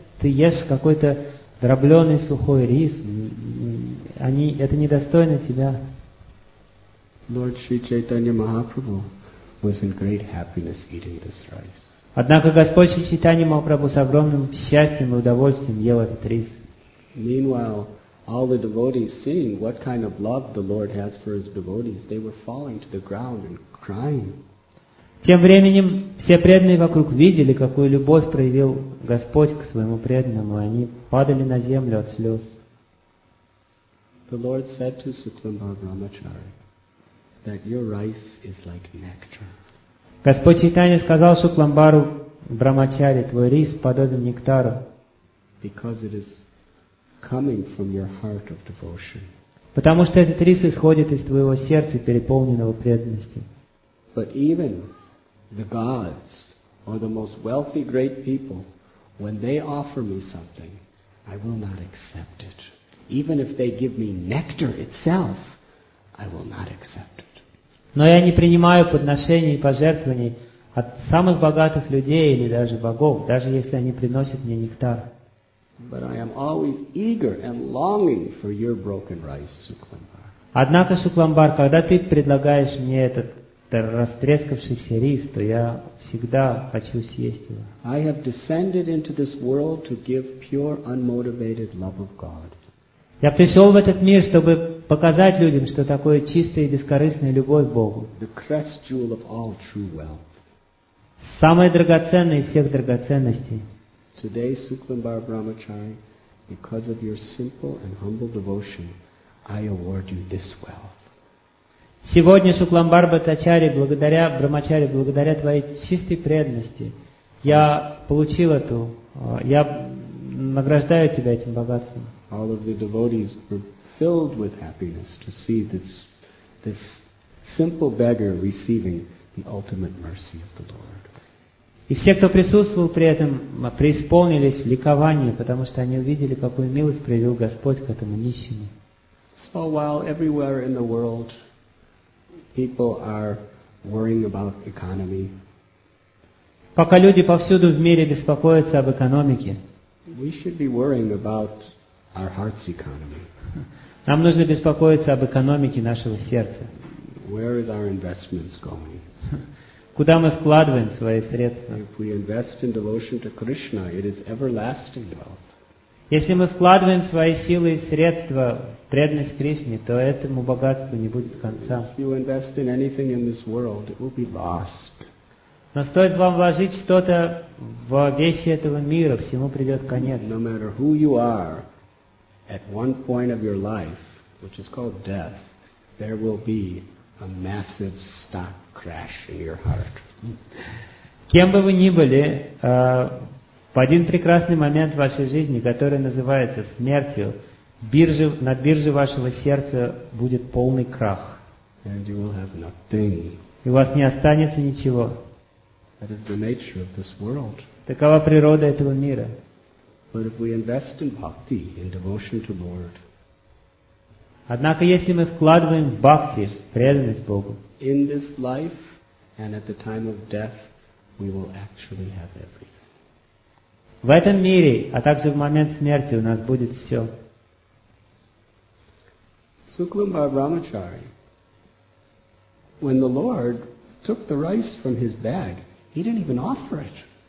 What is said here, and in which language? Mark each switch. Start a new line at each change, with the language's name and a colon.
Russian: Ты ешь какой-то дробленый сухой рис. Это недостойно тебя.
English: Lord Sri Chaitanya Mahaprabhu was in great happiness eating this rice.
Russian: Однако Господь Шри Чайтанья Махапрабху с огромным счастьем и удовольствием ел этот рис.
English: Meanwhile, all the devotees seeing what kind of love the Lord has for his devotees, they were falling to the ground and crying.
Russian: Тем временем все преданные вокруг видели, какую любовь проявил Господь к своему преданному, и они падали на землю от слез.
English: The Lord said to Sukhlambar Brahmachari that your rice is like nectar.
Russian: Господь Чайтанья сказал Сукламбару Брамачари, твой рис подобен нектару.
English: Because it is coming from your heart of devotion.
Russian: Потому что этот рис исходит из твоего сердца, переполненного преданности.
English: But even the gods or the most wealthy great people, when they offer me something, I will not accept it. Even if they give me nectar itself, I will not accept it.
Russian: Но я не принимаю подношений и пожертвований от самых богатых людей или даже богов, даже если они приносят мне нектар.
English: But I am always eager and longing for your broken rice, Sukhlambar.
Russian: Однако, Сукламбар, когда ты предлагаешь мне этот растрескавшийся рис, то я всегда хочу съесть его.
English: I have descended into this world to give pure, unmotivated love of God.
Russian: Я пришел в этот мир, чтобы показать людям, что такое чистая и бескорыстная любовь к Богу.
English: The crest jewel of all true wealth.
Russian: Самое драгоценное из всех драгоценностей.
English: Today, Suklambar Brahmachari, because of your simple and humble devotion, I award you this wealth.
Russian: Сегодня, Сукламбар Бхаттачари, благодаря Брахмачари, благодаря твоей чистой преданности, я получил эту, я награждаю тебя этим богатством.
English: All of the devotees were filled with happiness to see this simple beggar receiving the ultimate mercy of the Lord.
Russian: И все, кто присутствовал при этом, преисполнились ликования, потому что они увидели, какую милость проявил Господь к этому нищему.
English: So while everywhere in the world people are worrying about economy.
Russian: Пока люди повсюду в мире беспокоятся об экономике,
English: we should be worrying about our heart's economy.
Russian: Нам нужно беспокоиться об экономике нашего сердца.
English: Where is our investments going?
Russian: Куда мы вкладываем свои средства?
English: If we invest in devotion to Krishna, it is everlasting wealth.
Russian: Если мы вкладываем свои силы и средства в преданность Кришне, то этому богатству не будет конца. Но стоит вам вложить что-то в вещи этого мира, всему придет конец.
English: No matter who you are, at one point of your life, which is called death, there will be a massive stock crash in your heart.
Russian: Кем бы вы ни были, в один прекрасный момент в вашей жизни, который называется смертью, на бирже вашего сердца будет полный крах.
English: And you will have nothing.
Russian: И у вас не останется ничего.
English: That is the nature of this world.
Russian: Такова природа этого мира.
English: But if we invest in bhakti, in devotion to Lord,
Russian: однако если мы вкладываем в бхакти, в преданность Богу,
English: in this life and at the time of death, we will actually have everything.
Russian: В этом мире, а также в момент смерти, у нас будет все.
English: Suklambar Brahmachari, when the Lord took the rice from his bag, he didn't even offer it.